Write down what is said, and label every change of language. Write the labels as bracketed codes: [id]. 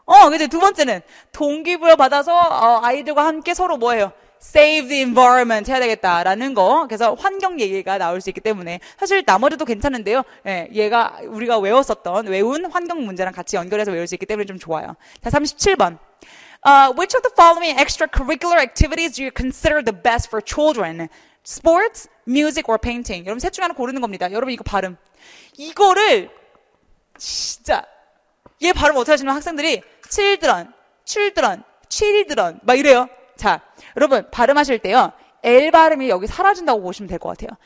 [ko] 근데 두 번째는 동기부여 받아서 아이들과 함께 서로 뭐예요? [en] Save the environment [ko] 해야 되겠다라는 거. 그래서 환경 얘기가 나올 수 있기 때문에 사실 나머지도 괜찮은데요. 예, 얘가 우리가 외운 환경 문제랑 같이 연결해서 외울 수 있기 때문에 좀 좋아요. 자, 37번. [en] Which of the following extracurricular activities do you consider the best for children? Sports, music, or painting? [ko] 여러분 셋 중에 하나 고르는 겁니다. 여러분 이거 발음. 이거를 진짜 얘 발음 어떻게 하시냐면 학생들이 칠드런, 칠드런, 칠이드런 막 이래요. 자, 여러분 발음하실 때요, L 발음이 여기 사라진다고 보시면 될것 같아요.